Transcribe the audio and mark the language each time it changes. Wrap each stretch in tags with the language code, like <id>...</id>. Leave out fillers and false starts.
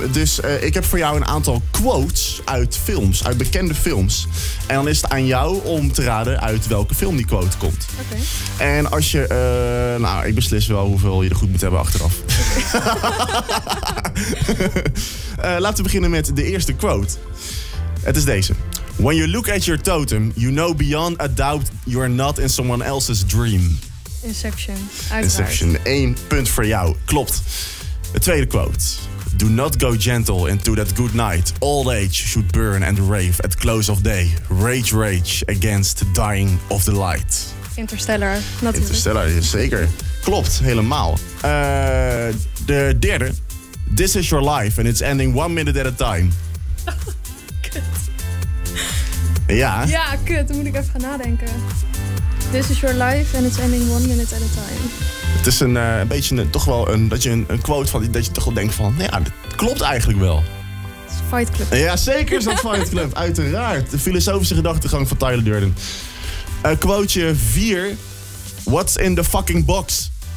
<nl>Dus ik heb voor jou een aantal quotes uit films, uit bekende films. En dan is het aan jou om te raden uit welke film die quote komt.</nl> <en>Okay.</en> <nl>En als je... ik beslis wel hoeveel je er goed moet hebben achteraf. Okay. laten we beginnen met de eerste quote. Het is deze.</nl> <en>When you look at your totem, you know beyond a doubt you're not in someone else's dream.</en> <nl>Inception, uiteraard. Inception, 1 punt voor jou. Klopt. De tweede quote.</nl> <en>Do not go gentle into that good night. Old age should burn and rave at close of day. Rage, rage against the dying of the light.</en> <nl>Interstellar, natuurlijk. Interstellar, zeker. Klopt, helemaal. De derde.</nl> <en>This is your life and it's ending 1 minute at a time.</en> <nl>Kut. Ja. Ja, kut. Dan moet ik even gaan nadenken.</nl> <en>This is your life and it's ending 1 minute at a time.</en> <nl>Het is een quote van dat je toch wel denkt van, nou ja, dat klopt eigenlijk wel. Fight Club. Ja, zeker is dat Fight Club, uiteraard. De filosofische gedachtegang van Tyler Durden. Quoteje 4.</nl> <en>What's in the fucking box?</en>